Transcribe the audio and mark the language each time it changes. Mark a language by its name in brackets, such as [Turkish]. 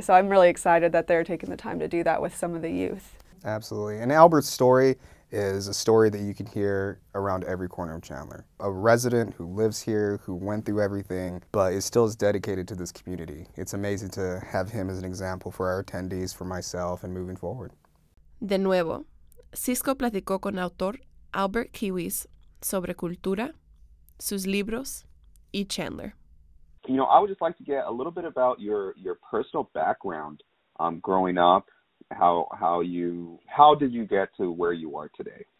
[English] So I'm really excited that they're taking the time to do that with some of the youth. Absolutely. And Albert's story is a story that you can hear around every corner of Chandler. A resident who lives here, who went through everything, but is still as dedicated to this community. It's amazing to have him as an example for our attendees, for myself, and moving forward. [Spanish] De nuevo, Cisco platicó con autor Albert Kiwis sobre cultura, sus libros, y Chandler. [English] You know, I would just like to get a little bit about your personal background growing up. How did you get to where you are today?